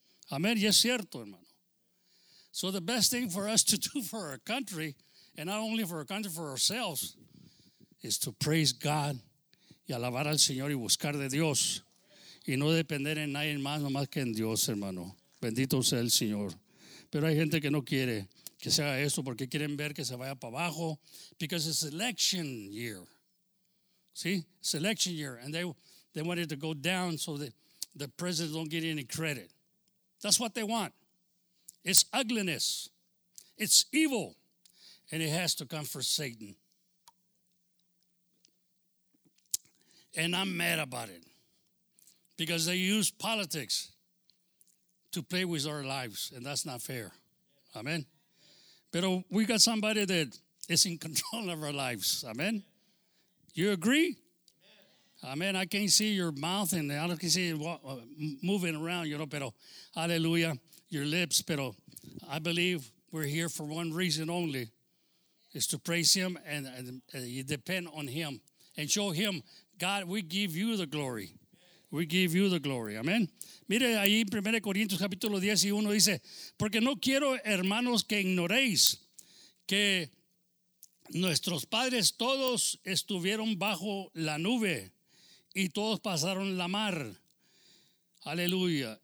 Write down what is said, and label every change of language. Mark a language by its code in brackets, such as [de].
[en] Amen. [es] Y es cierto, hermano. [en] So the best thing for us to do for our country, and not only for our country, for ourselves, is to praise God [es] y alabar al Señor y buscar de Dios. Y no depender en nadie más, no más que en Dios, hermano. Bendito sea el Señor. Pero hay gente que no quiere que se haga esto porque quieren ver que se vaya para abajo. [en] Because it's election year. See? It's election year. And they want it to go down so that the president don't get any credit. That's what they want. It's ugliness. It's evil. And it has to come for Satan. And I'm mad about it. Because they use politics to play with our lives. And that's not fair. Amen. But we got somebody that is in control of our lives. Amen. You agree? Amen. I can't see your mouth and I can see it moving around, you know, pero hallelujah, your lips. Pero I believe we're here for one reason only. is to praise him and you depend on him and show him, God, we give you the glory. We give you the glory. Amen. [es] Mire ahí en 1 Corintios capítulo 10 y 1 dice, porque no quiero, hermanos, que ignoréis que nuestros padres todos estuvieron bajo la nube y todos pasaron la mar. Aleluya.